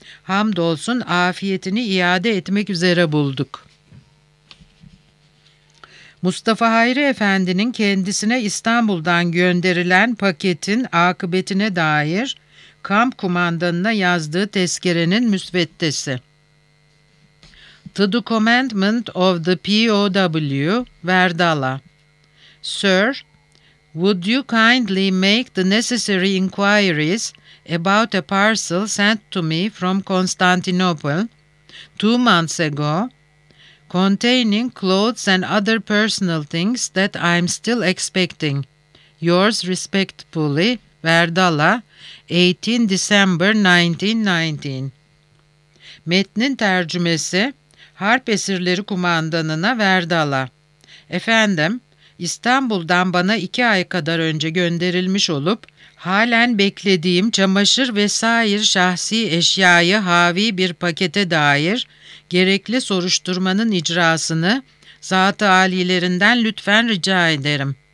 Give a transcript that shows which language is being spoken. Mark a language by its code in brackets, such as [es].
[tr] Hamdolsun afiyetini iade etmek üzere bulduk. Mustafa Hayri Efendi'nin kendisine İstanbul'dan gönderilen paketin akıbetine dair kamp kumandanına yazdığı tezkerenin müsveddesi. [en] To the Commandment of the POW, Verdala. Sir, would you kindly make the necessary inquiries about a parcel sent to me from Constantinople 2 months ago, containing clothes and other personal things that I'm still expecting. Yours respectfully, Verdala, 18 December 1919. [tr] Metnin tercümesi, Harp Esirleri Kumandanına Verdala. Efendim, İstanbul'dan bana 2 ay kadar önce gönderilmiş olup, halen beklediğim çamaşır vesaire şahsi eşyayı havi bir pakete dair gerekli soruşturmanın icrasını zat-ı alilerinden lütfen rica ederim.